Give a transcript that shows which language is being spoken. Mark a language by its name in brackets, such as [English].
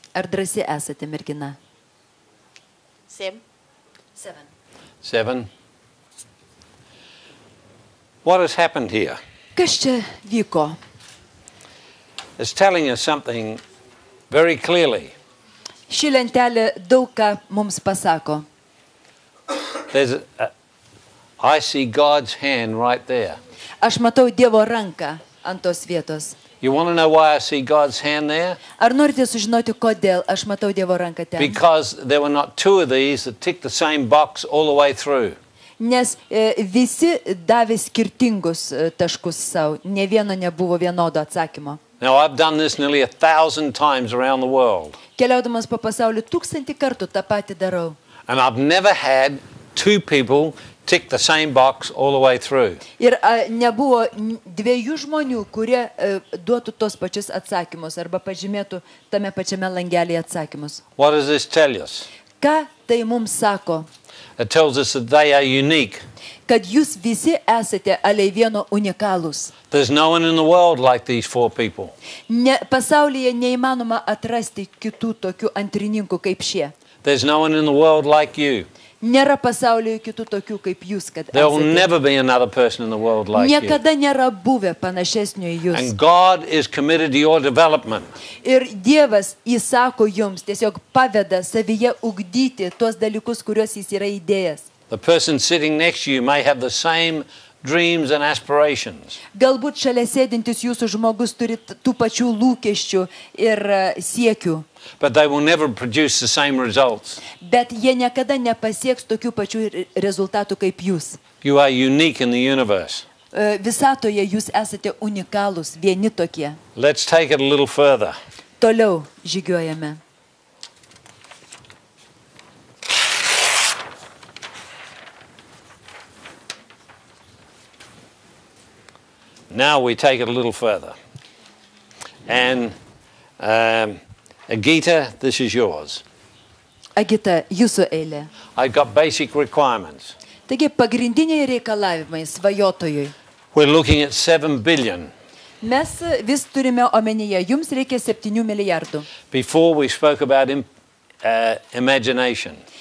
[Lithuanian] Ar drąsi esate, mergina? 7. [English] What has happened here? [Lithuanian] Kas čia vyko? [English] It's telling us something very clearly. [Lithuanian] Ši lentelė daug ką mums pasako. [English] I see God's hand right there. [Lithuanian] Aš matau Dievo ranką ant tos vietos. [English] You want to know why I see God's hand there? [Lithuanian] Ar norite sužinoti, kodėl aš matau Dievo ranką ten? [English] Because there were not two of these that ticked the same box all the way through. [Lithuanian] Nes visi davė skirtingus taškus savo. Ne vieno nebuvo vienodo atsakymo. [English] Now, I've done this nearly 1,000 times around the world. [Lithuanian] Keliaudamas po pasaulį 1,000 kartų tą patį darau. [English] And I've never had two people tick the same box all the way through. [Lithuanian] Ir nebuvo dviejų žmonių, kurie duotų tos pačius atsakymus arba pažymėtų tame pačiame langelyje atsakymus. [English] What does this tell us? [Lithuanian] Ką tai mums sako? [English] It tells us that they are unique. [Lithuanian] Kad jūs visi esate alei vieno unikalūs. [English] There's no one in the world like these four people. [Lithuanian] Ne, pasaulyje neįmanoma atrasti kitų tokių antrininkų kaip šie. [English] There's no one in the world like you. [Lithuanian] Nėra pasaulyje kitų tokių kaip jūs, kad [English] esate. There will never be another person in the world like you. [Lithuanian] Niekada nėra buvę panašesnio į jūs. [English] And God is committed to your development. [Lithuanian] Ir Dievas įsako jums, tiesiog paveda savyje ugdyti tuos dalykus, kuriuos jis yra įdėjęs. [English] The person sitting next to you may have the same dreams and aspirations. [Lithuanian] Galbūt šalia sėdintis jūsų žmogus turi tų pačių lūkesčių ir siekių. [English] But they will never produce the same results. [Lithuanian] Bet jie niekada nepasieks tokių pačių rezultatų kaip jūs. [English] You are unique in the universe. [Lithuanian] Visatoje jūs esate unikalūs, vieni tokie. [English] Let's take it a little further. [Lithuanian] Toliau žygiuojame. [English] Now we take it a little further. And Agita, this is yours. [Lithuanian] Agita, jūsų eilė. [English] I've got basic requirements. [Lithuanian] Taigi, pagrindiniai reikalavimai svajotojui. [English] We're looking at 7 billion. [Lithuanian] Mes vis turime omenyje, jums reikia 7 milijardų. [English] Before we spoke about imagination.